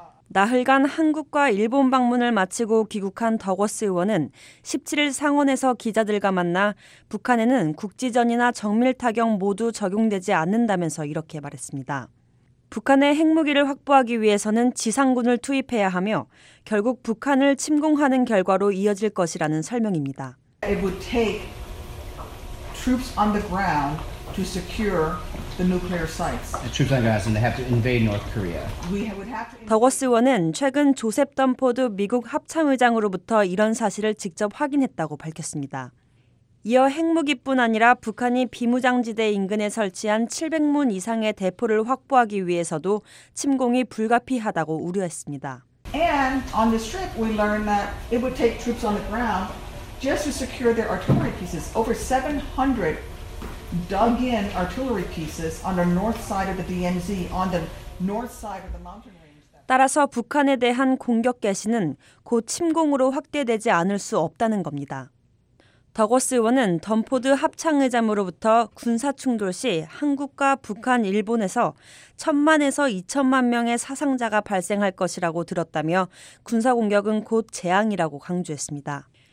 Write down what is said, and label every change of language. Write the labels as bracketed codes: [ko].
[ko] 나흘간 한국과 일본 방문을 마치고 귀국한 더거스 의원은 17일 상원에서 기자들과 만나 북한에는 국지전이나 정밀타격 모두 적용되지 않는다면서 이렇게 말했습니다. 북한의 핵무기를 확보하기 위해서는 지상군을 투입해야 하며 결국 북한을 침공하는 결과로 이어질 것이라는 설명입니다. [en] It would take troops on the ground to secure the nuclear sites. The troops on the ground and they have to invade North Korea. We would have to. [ko] 더거스 원은 최근 조셉 덤포드 미국 합참의장으로부터 이런 사실을 직접 확인했다고 밝혔습니다. 이어 핵무기뿐 아니라 북한이 비무장지대 인근에 설치한 700문 이상의 대포를 확보하기 위해서도 침공이 불가피하다고 우려했습니다. [en] And on this trip we learned that it would take troops on the ground just to secure their artillery pieces. Over 700 dug-in artillery pieces on the north side of the DMZ, on the north side of the mountain range. [ko] 따라서 북한에 대한 공격 개시는 곧 침공으로 확대되지 않을 수 없다는 겁니다. 더거스 의원은 덤포드 합창회장으로부터 군사 충돌 시 한국과 북한, 일본에서 천만에서 2천만 명의 사상자가 발생할 것이라고 들었다며 군사 공격은 곧 재앙이라고 강조했습니다.